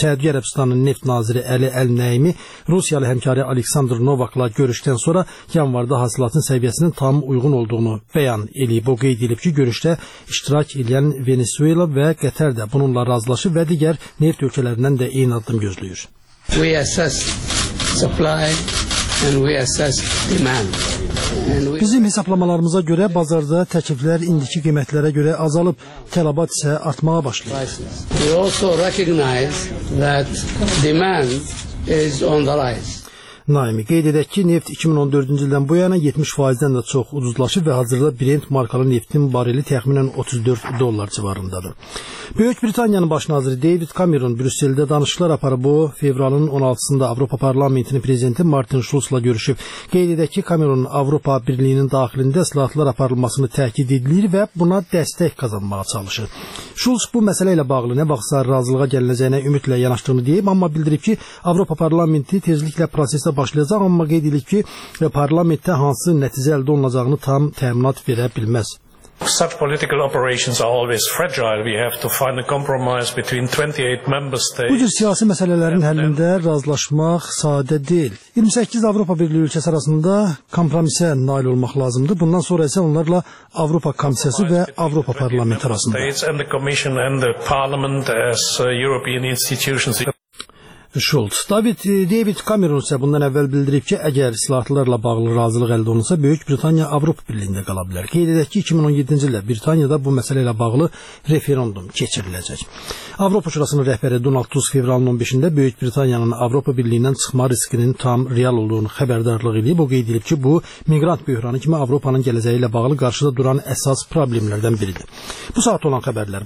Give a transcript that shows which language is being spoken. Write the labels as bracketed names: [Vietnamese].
[Azerbaijani] Səudiyyə Ərəbistanının neft naziri Əli Əl-Nəimi Rusiyalı həmkarı Aleksandr Novakla görüşdən sonra yanvarda hasilatın səviyyəsinin tam uyğun olduğunu bəyan edib. O qeyd edib ki, görüşdə iştirak edən Venezuela və Qətər də bununla razılaşıb və digər neft ölkələrindən də eyni addım gözləyir. [English] We assess supply and we assess demand. [Azerbaijani] Bizim hesablamalarımıza görə bazarda təkliflər indiki qiymətlərə görə azalıb, tələbat isə artmağa başlayıb. [English] We also recognize that demand is on the rise. [Azerbaijani] Naimi qeyd edək ki, neft 2014-cü ildən bu yana 70%-dən də çox ucuzlaşıb və hazırda Brent markalı neftin barili təxminən $34 civarındadır. Böyük Britaniyanın baş naziri David Cameron Brüsseldə danışıqlar aparıb, bu fevralın 16-sında Avropa Parlamentinin prezidenti Martin Schulz-la görüşüb. Qeyd edək ki, Cameron Avropa Birliyinin daxilində islahatlar aparılmasını təkid edilir və buna dəstək qazanmağa çalışır. Schulz bu məsələ ilə bağlı nə vaxtsa razılığa gəliləcəyinə ümidlə yanaşdığını deyib, amma bildirib ki, Avropa Parlamenti tezliklə proses başlayacaq, amma qeyd edilir ki, parlamentdə hansı nəticə əldə olunacağını tam təminat verə bilməz. [English] Such political operations are always fragile. We have to find a compromise between 28 member states. [Azerbaijani] Bu cür siyasi məsələlərin həllində razılaşmaq sadə deyil. 28 Avropa Birliyi ölkəsi arasında kompromisə nail olmaq lazımdır. Bundan sonra isə onlarla Avropa Komissiyası və Avropa Parlamenti arasında. [English] And the Commission and the Parliament as European institutions. [Azerbaijani] Schulz. David Cameron isə bundan əvvəl bildirib ki, əgər islahatlarla bağlı razılıq əldə olunsa, Böyük Britaniya Avropa Birliyində qala bilər. Qeyd edək ki, 2017-ci ildə Britaniyada bu məsələ ilə bağlı referendum keçiriləcək. Avropa Şurasının rəhbəri Donald Tusk fevralın 15-də Böyük Britaniyanın Avropa Birliyindən çıxma riskinin tam real olduğunu xəbərdarlıq edib. O qeyd edib ki, bu miqrant böhranı kimi Avropanın gələcəyi ilə bağlı qarşıda duran əsas problemlərdən biridir. Bu saat olan xəbərlər.